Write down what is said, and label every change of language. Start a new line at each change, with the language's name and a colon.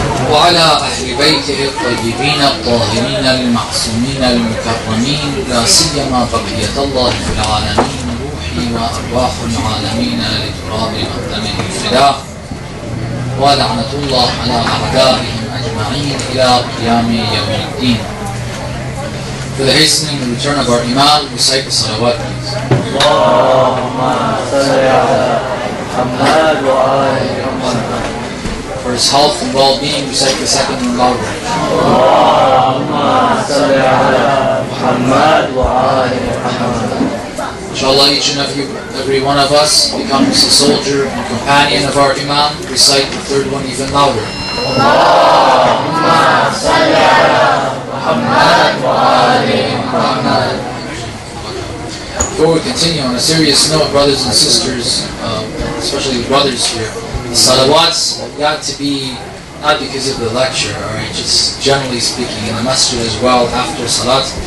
Arabic: وعلى أهل بيته الطيبين الطاهرين المعصومين المكرمين لا سيما بقية الله في العالمين وأرواح العالمين لتراب مقدمه الفداء ولعنة الله على أعدائهم أجمعين إلى قيام يوم الدين.
English: For the hastening and return of our Iman, we say the salawat, please.
Arabic: اللهم صل على محمد وآل محمد.
English: For his health and well-being, we say the second and louder.
Arabic: اللهم صل على محمد وآل محمد.
English: Inshallah, each and every one of us becomes a soldier and companion of our Imam. Recite the third one even louder.
Arabic: Allahumma salli ala Muhammad wa ali Muhammad.
English: Before we continue, on a serious note, brothers and sisters, especially brothers here, the salawats got to be not because of the lecture, all right, just generally speaking, in the masjid as well after salat.